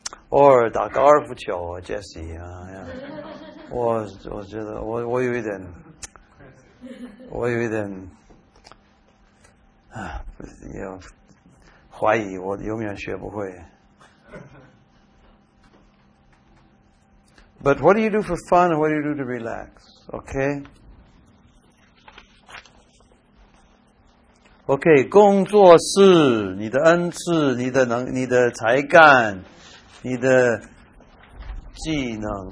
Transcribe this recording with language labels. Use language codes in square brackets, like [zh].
[zh] 偶尔打高尔夫球 Jesse 啊，我觉得我有一点要怀疑我永远学不会。 [en] But what do you do for fun and what do you do to relax? Okay? [zh] Okay, 工作是你的恩赐，你的能，你的才干，你的技能。